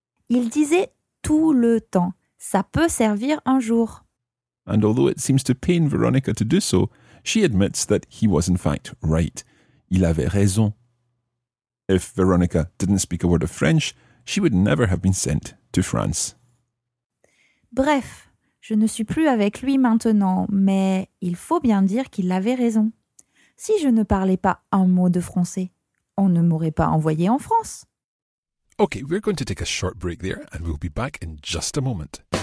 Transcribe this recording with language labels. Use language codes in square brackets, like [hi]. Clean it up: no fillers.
[fr] Il disait tout le temps, ça peut servir un jour. [en] And although it seems to pain Veronica to do so, she admits that he was in fact right. [fr] Il avait raison. [en] If Veronica didn't speak a word of French, she would never have been sent to France. [fr] Bref, je ne suis plus avec lui maintenant, mais il faut bien dire qu'il avait raison. Si je ne parlais pas un mot de français, on ne m'aurait pas envoyé en France. [en] Okay, we're going to take a short break there and we'll be back in just a moment.